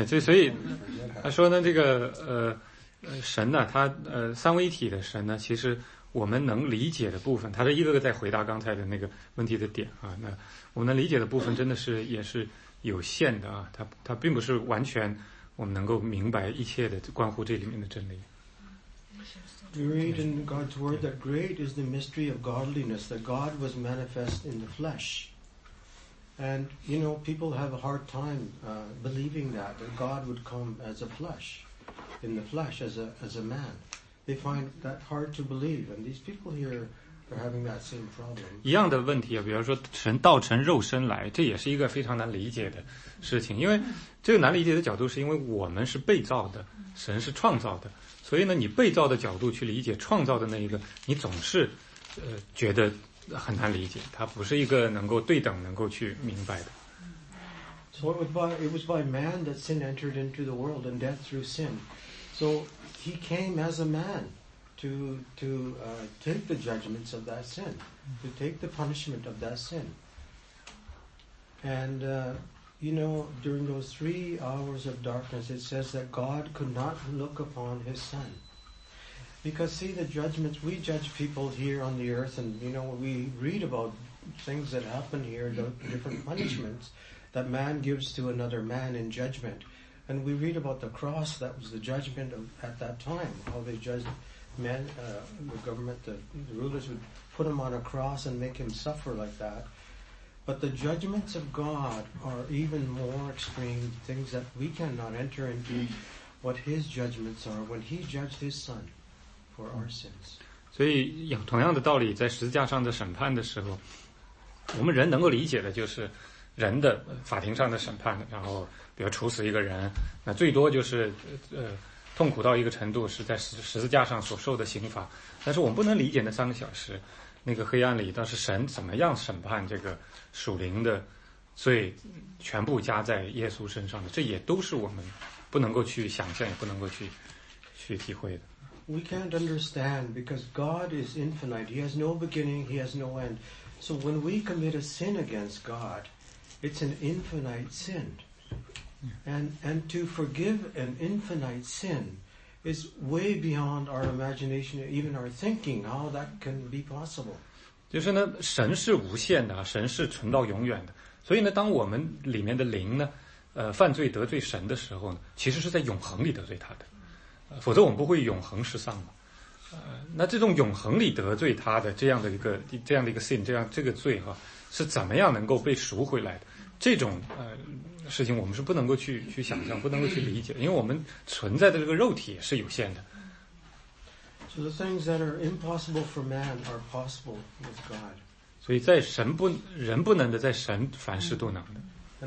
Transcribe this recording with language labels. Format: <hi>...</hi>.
<en>Yeah,</en> <zh>所以他说呢，这个神呢，他三位一体的神呢，其实我们能理解的部分，他是一个个在回答刚才的那个问题的点啊。那我们能理解的部分真的是也是有限的啊，他并不是完全我们能够明白一切的关乎这里面的真理。</zh> <en>We read in God's word that great is the mystery of godliness, that God was manifest in the flesh. And, you know, people have a hard time, believing that God would come as a flesh, in the flesh, as a man. They find that hard to believe, and these people here are having that same problem.</en> <zh>一样的问题啊，比如说神道成肉身来，这也是一个非常难理解的事情。因为这个难理解的角度是因为我们是被造的，神是创造的。所以呢，你被造的角度去理解创造的那一个，你总是，觉得很难理解，它不是一个能够对等能够去明白的。</zh> <en>So it was by man that sin entered into the world and death through sin. So he came as a man to take the judgments of that sin, to take the punishment of that sin. And, you know, during those 3 hours of darkness, it says that God could not look upon his son. Because see the judgments, we judge people here on the earth and you know, we read about things that happen here, the different punishments that man gives to another man in judgment. And we read about the cross, that was the judgment of, at that time, how they judged men, the government, the rulers would put him on a cross and make him suffer like that. But the judgments of God are even more extreme, things that we cannot enter into what his judgments are when he judged his son.</en> <zh>所以同样的道理，在十字架上的审判的时候，我们人能够理解的就是人的法庭上的审判，然后比如处死一个人，那最多就是痛苦到一个程度是在十字架上所受的刑罚。但是我们不能理解那三个小时那个黑暗里，倒是神怎么样审判这个属灵的罪全部加在耶稣身上的，这也都是我们不能够去想象也不能够去体会的。</zh> <en>We can't understand because God is infinite. He has no beginning, he has no end. So when we commit a sin against God, it's an infinite sin. And to forgive an infinite sin is way beyond our imagination, even our thinking, how that can be possible.</en> <zh>就是呢，神是无限的，神是存到永远的。所以呢，当我们里面的灵呢，犯罪得罪神的时候呢，其实是在永恒里得罪他的。否则我们不会永恒失丧嘛？那这种永恒里得罪他的这样的一个</zh> <en>sin，</en> <zh>这个罪哈、啊，是怎么样能够被赎回来的？这种事情我们是不能够去想象，不能够去理解，因为我们存在的这个肉体也是有限的。</zh> <en>So the things that are impossible for man are possible with God.</en> <zh>所以在神不人不能的，在神凡事都能的。</zh>